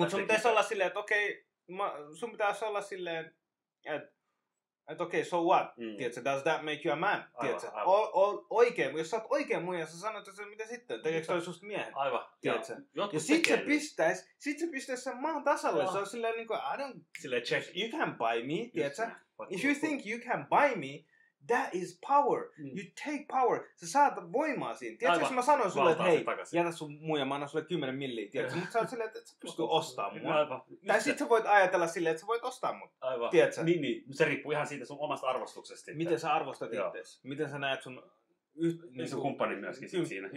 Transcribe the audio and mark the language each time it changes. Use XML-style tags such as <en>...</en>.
<fi>Mutta sun pitäisi olla silleen, että okei, sun pitäisi olla silleen, että okei,</fi> <en>so what?</en> <fi>Tiedätkö,</fi> <en>does that make you a man?</en> <fi>Tiedätkö, oikein, jos sä oot oikein muija, sä sanoit, että mitä sitten? Tekeekö toi susta miehen? Aivan. Tiedätkö? Ja sit se pistäis sen maan tasalle. Se on silleen, niin kuin,</fi> <en>I don't...</en> <fi>Silleen, check.</fi> <en>You can buy me,</en> <fi>tiedätkö?</fi> <en>If you think you can buy me, that is power. You take power.</en> <fi>Sä saat voimaa siinä. Tiedätkö, jos mä sanoin sulle, että hei, jätä sun muija, mä annan sulle 10 milliä, tiedätkö? Mutta sä oot silleen, että sä pystyy ostamaan mua. Aivan. Tai sit sä voit ajatella silleen, että sä voit ostaa mut. Aivan. Tiedätkö? Niin. Se riippuu ihan siitä sun omasta arvostuksesta. Miten sä arvostat itseäsi? Miten sä näet sun... Niin sun kumppani myöskin sit siinä.</fi>